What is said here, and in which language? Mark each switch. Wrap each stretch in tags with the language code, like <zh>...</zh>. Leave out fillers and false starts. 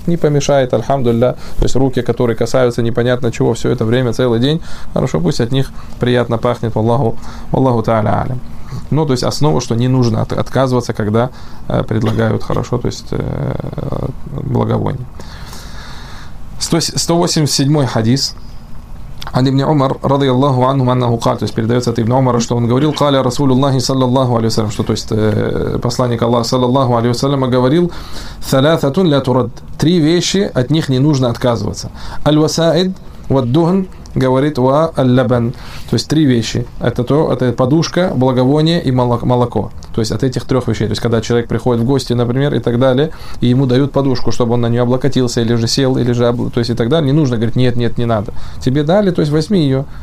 <ru>Не помешает, альхамдулилля, то есть руки, которые касаются непонятно чего все это время, целый день, хорошо, пусть от них приятно пахнет, валлаху тааля алим. Ну, то есть основа, что не нужно отказываться, когда предлагают хорошо, то есть благовоние. 187 хадис.</ru> <ar>عن ابن عمر رضي الله عنه أنه قال,</ar> <ru>то есть передается от</ru> <ar>ابن عمر,</ar> <ru>что он говорил,</ru> <ar>قال رسول الله صلى الله عليه وسلم,</ar> <ru>что, то есть посланник Аллаха</ru> <ar>صلى الله عليه وسلم говорил, ثلاثة لا ترد,</ar> <ru>три вещи, от них не нужно отказываться.</ru> <ar>الوسائد والدهن,</ar> <ru>говорит,</ru> <ar>ва аль-лабан,</ar> <ru>то есть три вещи, это подушка, благовоние и молоко, то есть от этих трех вещей, то есть когда человек приходит в гости, например, и так далее, и ему дают подушку, чтобы он на нее облокотился, или же сел, или же, то есть и так далее, не нужно говорить, нет, нет, не надо, тебе дали, то есть возьми ее,</ru>